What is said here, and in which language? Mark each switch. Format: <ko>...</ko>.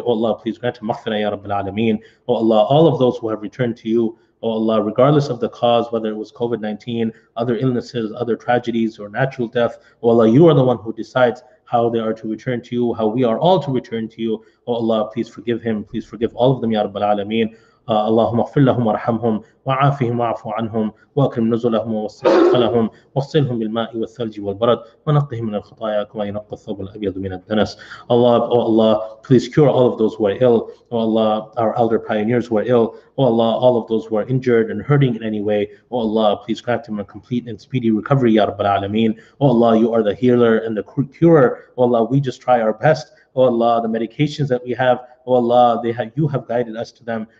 <en>Oh Allah, please grant him maghfirah,</en> <ar>Ya Rabbil Alameen.</ar> <en>Oh Allah, all of those who have returned to you, oh Allah, regardless of the cause, whether it was COVID-19, other illnesses, other tragedies, or natural death, oh Allah, you are the one who decides how they are to return to you, how we are all to return to you. Oh Allah, please forgive him. Please forgive all of them, Ya Rabbil Alameen.</en> <ar>اللهم اغفر لهم وارحمهم وعافهم واعف عنهم واكرم نزلهم ووسع مدخلهم واغسلهم بالماء والثلج والبرد ونقهم من الخطايا كما ينقي الثوب الابيض من الدنس.</ar> <en>الله او الله please cure all of those who are ill. او الله our elder pioneers who are ill. او الله all of those who are injured and hurting in any way. او الله please grant them a complete and speedy recovery</en> <ar>يا رب العالمين.</ar> <en>O Allah you are the healer and the curer. O Allah we just try our best. O Allah, the medications that we have, O Allah, you have guided us to them.</en>